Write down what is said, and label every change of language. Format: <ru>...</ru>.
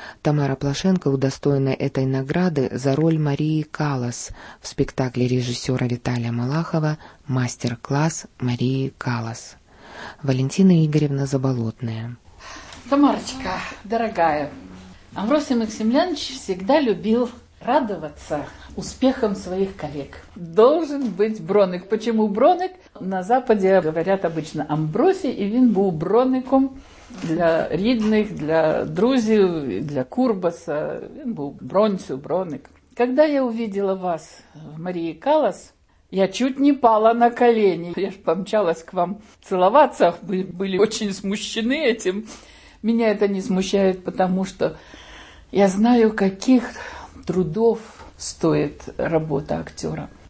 <ru>Тамара Плашенко удостоена этой награды за роль Марии Каллас в спектакле режиссера Виталия Малахова «Мастер-класс Марии Каллас». Валентина Игоревна Заболотная. Тамарочка, дорогая, Амвросий Максимилианович всегда любил радоваться успехам своих коллег. Должен быть Бронек. Почему Бронек? На Западе говорят обычно</ru> <uk>Амвросій, и він був Бронеком для рідних, для друзів, для Курбаса. Він був Бронцю, Бронек.</uk> <ru>Когда я увидела вас в Марії Каллас, я чуть не пала на колени. Я ж помчалась к вам целоваться. Вы были очень смущены этим. Меня это не смущает, потому что я знаю, каких трудов стоит работа актера.</ru>